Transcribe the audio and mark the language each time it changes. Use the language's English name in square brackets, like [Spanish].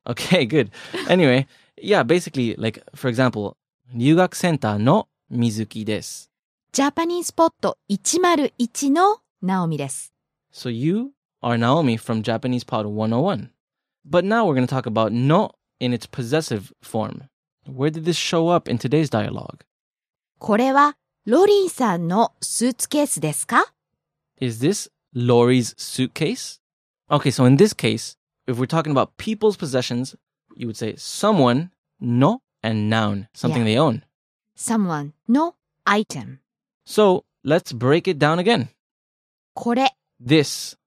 [English] Okay, good. Anyway, yeah, basically, like, for example, [Japanese] 留学センターの [English] Mizuki です。 [Japanese] Japanese spot 101の Naomi です。 [English] So you are Naomi from Japanese pod 101. But now we're going to talk about no in its possessive form. Where did this show up in today's dialogue? [Japanese] これはロリーさんのスーツケースですか? [English] Is this... Lori's suitcase? Okay, so in this case, if we're talking about people's possessions, you would say someone, no, and noun, something they own. Someone, no, item. So, let's break it down again. [Japanese] これ [English] This